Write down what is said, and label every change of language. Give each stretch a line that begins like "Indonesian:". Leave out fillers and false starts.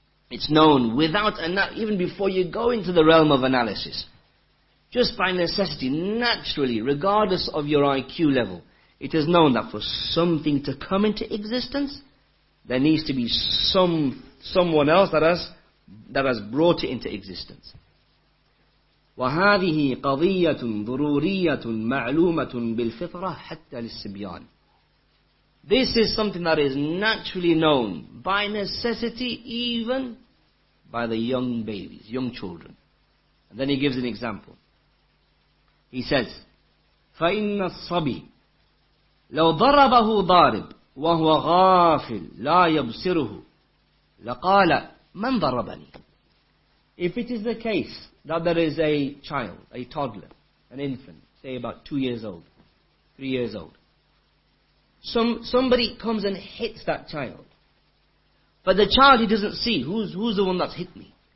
English: It's known without, even before you go into the realm of analysis. Just by necessity, naturally, regardless of your IQ level. It is known that for something to come into existence, there needs to be someone else that has brought it into existence.
Arabic: وهذه قضية ضرورية معلومة بالفطرة حتى للصبيان.
English: This is something that is naturally known by necessity even by the young babies, young children. And then he gives an example. He says,
Arabic: فَإِنَّ الصَّبِيَ لَوْ ضَرَبَهُ ضَارِبٌ وَهُوَ غَافِلٌ لَا يَبْصِرُهُ لَقَالَ مَنْ ضَرَبَنِي.
English: If it is the case that there is a child, a toddler, an infant, say about 2 years old, 3 years old, somebody comes and hits that child, but the child, he doesn't see, who's the one that's hit me?